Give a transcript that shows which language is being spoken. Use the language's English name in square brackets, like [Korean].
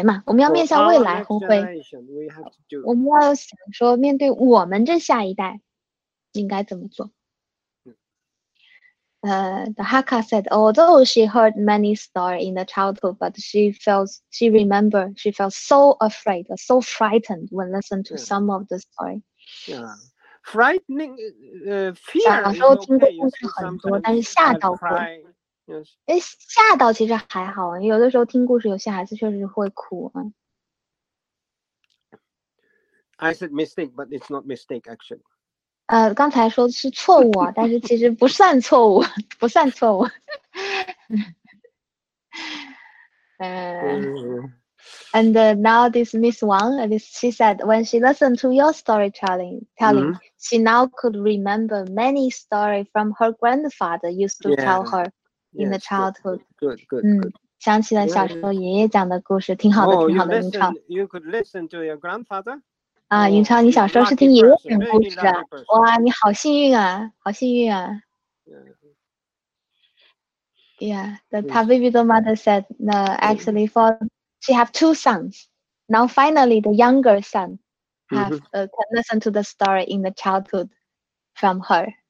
[Chinese] 来嘛，我们要面向未来，红辉。我们要想说，面对我们这下一代，应该怎么做？ [English] The Hakka said, although she heard many stories in the childhood, but she felt so afraid, so frightened when listening to some of the story. Yeah. Frightening, fear. [Chinese] 小时候听过故事很多，但是吓到过。 [English] Yes. [Chinese] 吓到其实还好，有的时候听故事，有些孩子确实会哭啊。 [English] I said mistake, but it's not mistake actually. [Chinese] 刚才说的是错误啊，但是其实不算错误，不算错误。 [English] And now this Miss Wang, she said when she listened to your storytelling, she now could remember many stories from her grandfather used to tell her in the childhood. Good. [Chinese] 想起了小时候爷爷讲的故事，挺好的，挺好的。云超 [English] ，You could listen to your grandfather. [Chinese] 啊，云超，你小时候是听爷爷讲故事的？哇，你好幸运啊，好幸运啊。 [English] Yeah, the Tavivido mother said, "No, actually, for." She have two sons. Now finally the younger son can listen to the story in the childhood from her.